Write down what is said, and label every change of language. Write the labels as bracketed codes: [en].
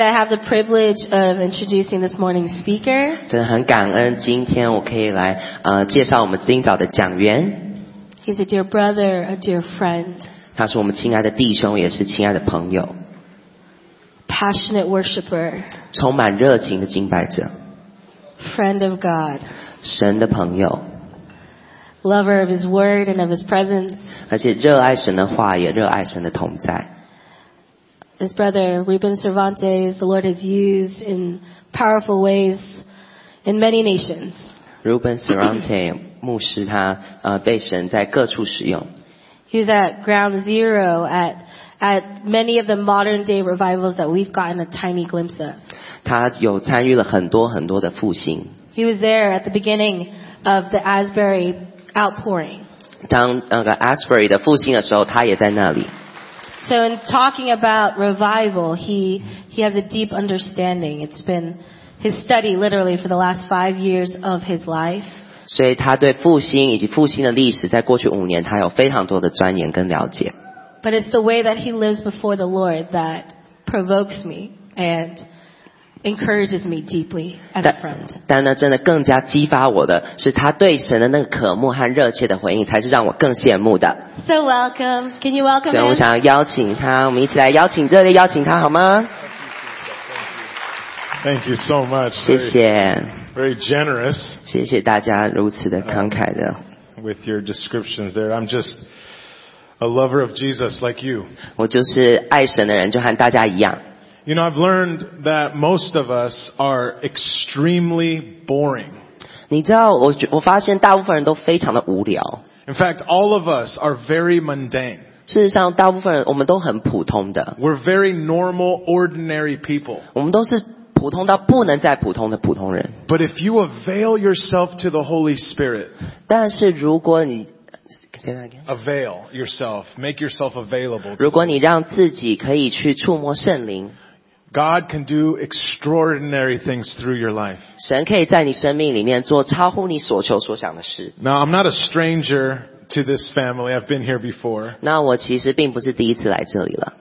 [en] I have the privilege of introducing this morning's speaker. [zh] 真的很感恩，今天我可以来介绍我们今早的讲员。 [en] He's a dear brother, a dear friend. [zh] 他是我们亲爱的弟兄，也是亲爱的朋友。 [en] Passionate worshipper. [zh] 充满热情的敬拜者。 [en] Friend of God. [zh] 神的朋友。 [en] Lover of His Word and of His presence. [zh] 而且热爱神的话，也热爱神的同在。 [en] His brother Ruben Cervantes, the Lord has used in powerful ways in many nations. [zh] Ruben Cervantes, 牧师他被神在各处使用。 [en] He's at ground zero at many of the modern day revivals that we've gotten a tiny glimpse of. [zh] 他有参与了很多很多的复兴。 [en] He was there at the beginning of the Asbury outpouring. [zh] 当那个 Asbury 的复兴的时候，他也在那里。 [en] So in talking about revival, he has a deep understanding. It's been his study literally for the last 5 years of his life. [zh] 所以他对复兴以及复兴的历史在过去五年他有非常多的钻研跟了解。 [en] But it's the way that he lives before the Lord that provokes me and encourages me deeply as a friend. [zh] 但呢真的更加激发我的是他对神的那个渴慕和热切的回应才是让我更羡慕的。 [en] So welcome. Can you welcome him? [zh] 所以我想邀请他，我们一起来邀请，热烈邀请他好吗？ [en] Thank you so much. [zh] 谢谢。 [en] Very generous. [zh] 谢谢大家如此的慷慨的。 [en] With your descriptions there, I'm just a lover of Jesus like you. [zh] 我就是爱神的人，就和大家一样。 [en] You know, I've learned that most of us are extremely boring. [zh] 你知道，我发现大部分人都非常的无聊。 [en] In fact, all of us are very mundane. [zh] 事实上，大部分人我们都很普通的。 [en] We're very normal, ordinary people. [zh] 我们都是普通到不能再普通的普通人。 [en] But if you avail yourself to the Holy Spirit, [zh] 但是如果你 [en] Avail yourself, make yourself available. [zh] 如果你让自己可以去触摸圣灵 [en] ，God can do extraordinary things through your life. [zh] 神可以在你生命里面做超乎你所求所想的事。 [en] Now I'm not a stranger to this family. I've been here before. [zh] 那我其实并不是第一次来这里了。